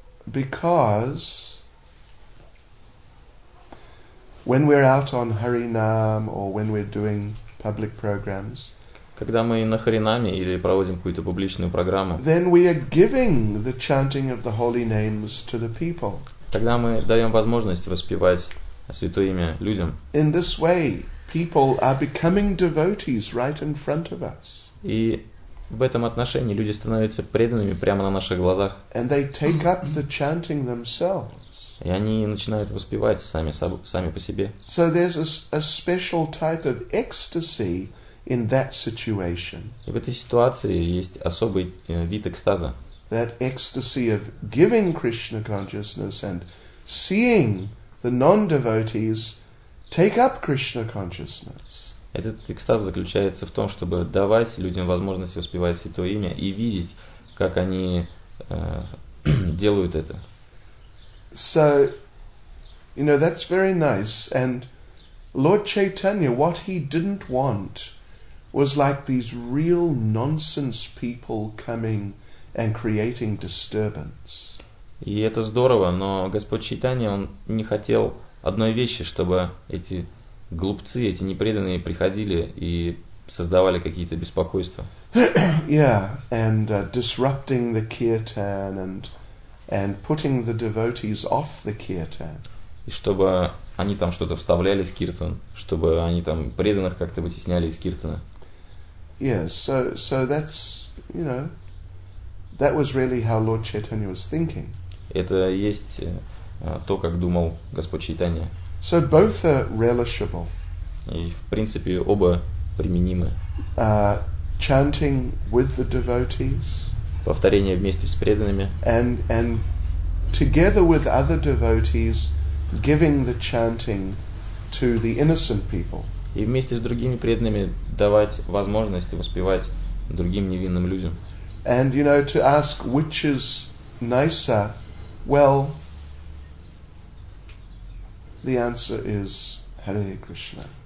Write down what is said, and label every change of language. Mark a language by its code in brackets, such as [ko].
[en] Because when we're out on Харинам or when we're doing public programs, [ru] когда мы на Харинаме или проводим какую-то публичную программу, [en] then we are giving the chanting of the holy names to the people. [ru] Тогда мы даем возможность воспевать святое имя людям. [en] In this way, people are becoming devotees right in front of us. [ru] И в этом отношении люди становятся преданными прямо на наших глазах. [en] And they take up the chanting themselves. [ru] И они начинают воспевать сами по себе. [en] So there's a special type of ecstasy in that situation. [ru] И в этой ситуации есть особый вид экстаза. [en] That ecstasy of giving Krishna consciousness and seeing the non-devotees take up Krishna consciousness. [ru] Этот экстаз заключается в том, чтобы давать людям возможность воспевать святое имя и видеть, как они делают это. [en] So, you know, that's very nice. And Lord Chaitanya, what he didn't want was like these real nonsense people coming and creating disturbance. [ru] И это здорово, но Господь Чайтанья, он не хотел одной вещи, чтобы эти глупцы, эти непреданные приходили и создавали какие-то беспокойства. [en] Yeah, and disrupting the kirtan and putting the devotees off the kirtan. [ru] И чтобы они там что-то вставляли в киртан, чтобы они там преданных как-то вытесняли из киртана. [en] Yeah, so that's, you know, that was really how Lord Chaitanya was thinking. [ru] Это есть то, как думал Господь Чайтанья. [en] So both are relishable. [ru] И в принципе оба применимы. [en] Chanting with the devotees. [ru] Повторение вместе с преданными. [en] And together with other devotees, giving the chanting to the innocent people. [ru] И вместе с другими преданными давать возможность воспевать другим невинным людям. [en] And you know, to ask which is nicer, well, the answer is Hare Krishna.